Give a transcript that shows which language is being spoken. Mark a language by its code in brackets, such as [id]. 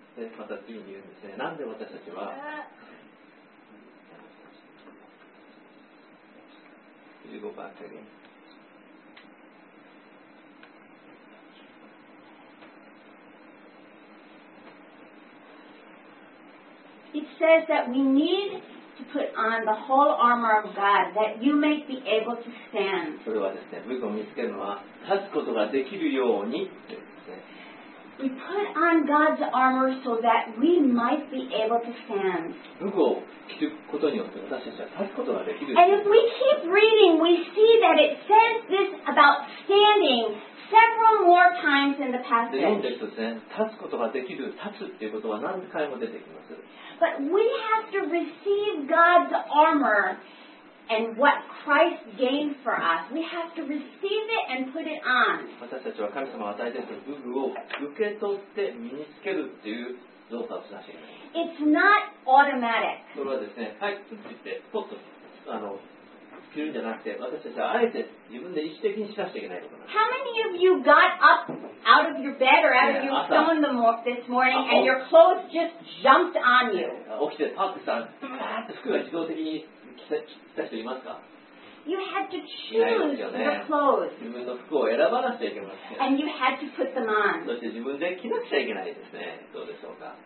[en] Could you go back again? It says that we need to put on the whole armor of God that you may be able to stand. [ja] それはですね、武具を見つけるのは立つことができるようにってですね。 [en] We put on God's armor so that we might be able to stand. [ja] 武具を着ることによって私たちは立つことができる。 [en] And if we keep reading, we see that it says this about standing. Several more times in the passage. But we have to receive God's armor and what Christ gained for us. We have to receive it and put it on. [ja] 私たちは神様が与えている武具を受け取って身につけるっていう動作をしなきゃいけない。 [en] It's not automatic. [ja] それはですね、はい、ポッとポッと、着るんじゃなくて、私たちはあえて自分で意思的にしなくちゃいけないことなんです。 [en] How many of you got up out of your bed or out of your stone this morning and your clothes just jumped on you? [ja] 起きてパッとさ、服が自動的に着た人いますか？ [en] You had to choose your clothes. [ja] 自分の服を選ばなくちゃいけません。 [en] And you had to put them on. [ja] そして自分で着なくちゃいけないですね。どうでしょうか？